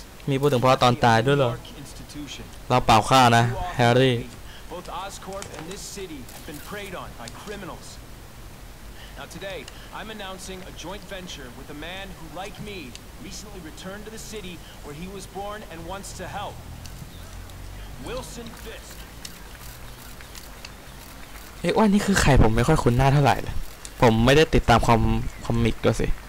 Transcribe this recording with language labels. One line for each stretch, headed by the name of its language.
Thai: มีพูดถึงพ่อตอนตายด้วยเหรอเราเปล่าค่านะแฮร์รี่
English: Both Oscorp and this city have been preyed on by criminals. Now today, I'm announcing a joint venture with a man who, like me, recently returned to the city where he was born and wants to help. Wilson Fisk.
Thai: เอ๊ะนี่คือใครผมไม่ค่อยคุ้นหน้าเท่าไหร่เลยผมไม่ได้ติดตามคอมิกด้วยสิ